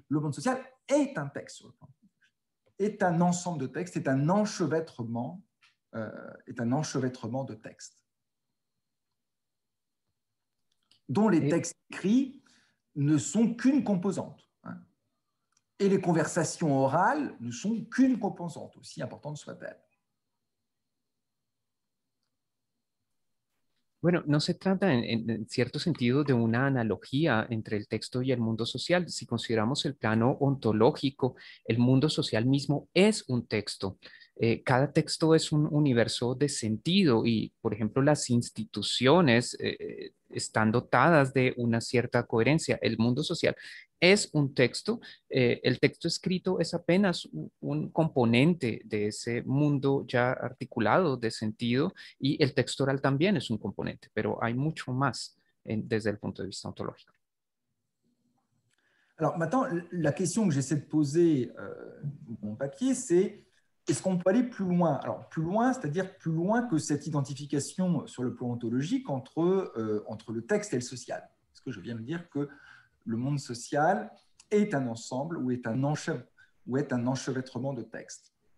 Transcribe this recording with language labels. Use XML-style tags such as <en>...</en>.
<fr>Le monde social est un texte, est un ensemble de textes, est un enchevêtrement de textes, dont les textes écrits ne sont qu'une composante. Et les conversations orales ne sont qu'une composante, aussi importante soit-elle.</fr> <es>Bueno, no se trata en cierto sentido de una analogía entre el texto y el mundo social. Si consideramos el plano ontológico, el mundo social mismo es un texto. Cada texto es un universo de sentido y, por ejemplo, las instituciones están dotadas de una cierta coherencia. El mundo social es un texto. El texto escrito es apenas un componente de ese mundo ya articulado de sentido y el texto oral también es un componente, pero hay mucho más desde el punto de vista ontológico.</es> <fr>Alors, maintenant, la question que j'essaie de poser mon papier, c'est: est-ce qu'on peut aller plus loin? Alors, plus loin, c'est-à-dire plus loin que cette identification sur le plan ontologique entre le texte et le social. Parce que je viens de dire que le monde social est un ensemble ou est un enchevêtrement de textes.</fr>